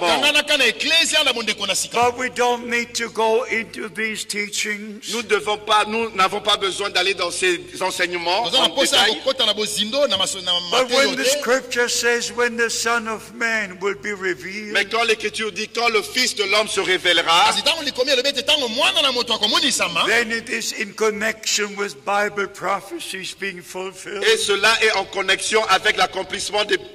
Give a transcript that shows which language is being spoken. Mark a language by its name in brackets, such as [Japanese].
[English] But we don't need to go into these teachings. [French] Nous devons pas, nous n'avons pas besoin d'aller dans ces enseignements en détail. [English] But when the scripture says when the son of man will be revealed. [French] Mais quand l'écriture dit quand le fils de l'homme se révélera. [English] Then it is in connection with Bible prophecies being fulfilled. [French] Et cela est en connexion avec l'accomplissement des